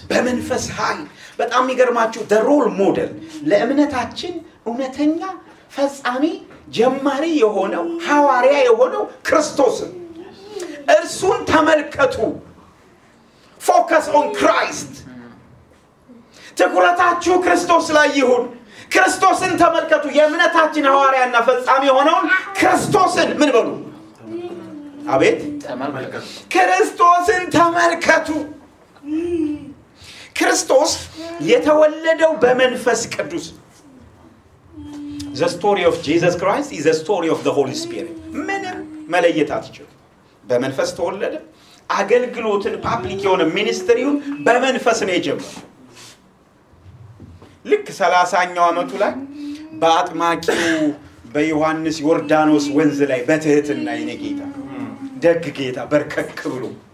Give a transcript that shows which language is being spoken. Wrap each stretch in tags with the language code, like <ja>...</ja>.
<am>በመንፈስ ኃይል በጣም ይገርማችሁ</am> <en>the role model</en> <am>ለእምነታችን እውነተኛ ፈጻሚ ጀማሪ የሆነው ሐዋርያ የሆነው ክርስቶስ እርሱን ተመልከቱ</am> <en>focus on Christ</en> <am>ትኩረታችሁ ክርስቶስ ላይ ይሁን ክርስቶስን ተመልከቱ የእምነታችን ሐዋርያና ፈጻሚ የሆነውን ክርስቶስን ምን በሉ አቤት ተመልከቱ ክርስቶስን ተመልከቱ ክርስቶስ የተወለደው በመንፈስ ቅዱስ</am> <en>The story of Jesus Christ is the story of the Holy Spirit.</en> <am>ምንም መለየት አትችልም። በመንፈስ ተወለደ። አገልግሎትን ፓብሊክ የሆነ ሚኒስትሪውን በመንፈስ ነው የጀመረው። ልክ 30ኛው አመቱ ላይ በአጥማቂው በዮሐንስ ዮርዳኖስ ወንዝ ላይ በትህትና የኔ ጌታ ደግ ጌታ በርከክ ብሎ</am>